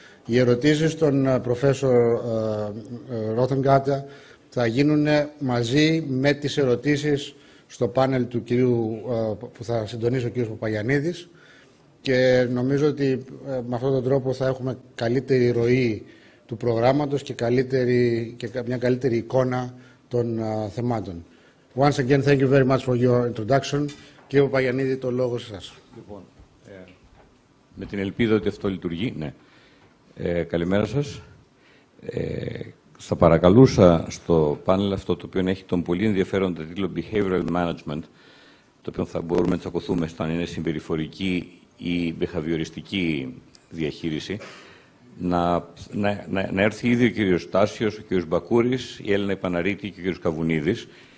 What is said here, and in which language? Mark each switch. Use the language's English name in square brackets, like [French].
[Greek] Οι ερωτήσεις των Professor Rothengarten θα γίνουν μαζί με τις ερωτήσεις στο πάνελ του κυρίου που θα συντονίσει ο κύριος Παπαγιαννίδης, και νομίζω ότι με αυτόν τον τρόπο θα έχουμε καλύτερη ροή του προγράμματος και καλύτερη, και μια καλύτερη εικόνα των θεμάτων. [English] Once again, thank you very much for your introduction. [Greek] Κύριε Παπαγιαννίδη, το λόγο σας. Λοιπόν, με την ελπίδα ότι αυτό λειτουργεί, ναι. Καλημέρα σας. Θα παρακαλούσα στο πάνελ αυτό, το οποίο έχει τον πολύ ενδιαφέροντα τίτλο Behavioral Management, το οποίο θα μπορούμε να τσακωθούμε σαν είναι συμπεριφορική ή behavioristική διαχείριση, να έρθει ήδη ο κύριος Τάσιος, ο κύριος Μπακούρης, η Έλληνα Επαναρίτη και ο κύριος Καβουνίδης.